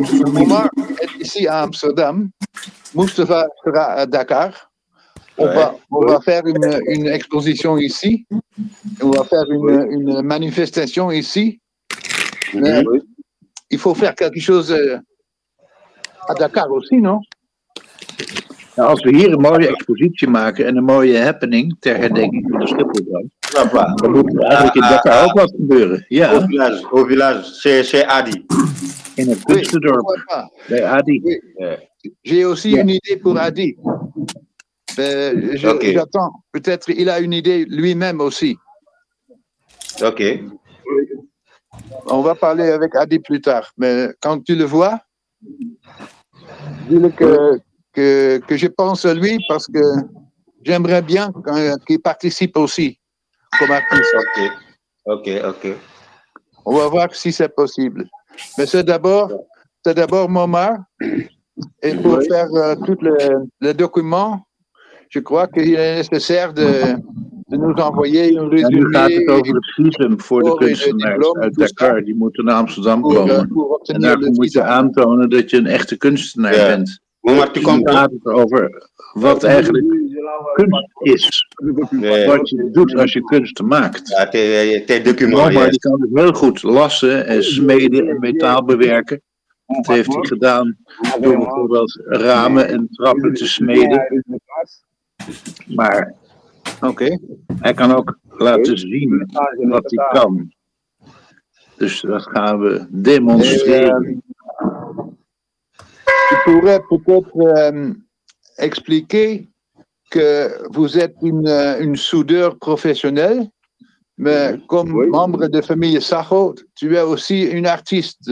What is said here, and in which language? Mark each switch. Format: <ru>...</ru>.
<fr>Momar est ici à Amsterdam. Mustafa sera à Dakar. On va faire une exposition ici. On va faire une manifestation ici. Mais il faut faire quelque chose à Dakar aussi, non?</fr> <nl>Nou, als we hier een mooie expositie maken en een mooie happening ter herdenking van de Schipholbrand, dan moet er eigenlijk in Dakar ook wat gebeuren. Ja.</nl> <fr>Au village, chez Adi.</fr> <nl>In het kunstendorp. Bij Adi.</nl> <fr>J'ai aussi une idée pour Adi. J'attends. Peut-être il a une idée lui-même aussi. Ok. On va parler avec Adi plus tard. Mais quand tu le vois, dis-le que je pense à lui parce que j'aimerais bien qu'il participe aussi comme artiste. Ok. On va voir si c'est possible. Mais c'est d'abord Momar. Et pour faire tous les documents, je crois qu'il est nécessaire de nous envoyer une résumé.</fr> <nl>Nu gaat het over het visum voor de kunstenaars uit Dakar. Die moeten naar Amsterdam komen. En daarvoor moet je aantonen dat je een echte kunstenaar bent. Maar je komt over wat eigenlijk kunst is. Wat je doet als je kunst maakt.</nl> <fr>Ja, tes documents.</fr> <nl>Maar die kan heel goed lassen en smeden en metaal bewerken. Dat heeft hij gedaan door bijvoorbeeld ramen en trappen te smeden. Maar, oké. Hij kan ook laten zien wat hij kan. Dus dat gaan we demonstreren.</nl> <fr>Je pourrais peut-être expliquer que vous êtes une soudeur professionnelle, mais comme membre de famille Sacho, tu es aussi une artiste.</fr>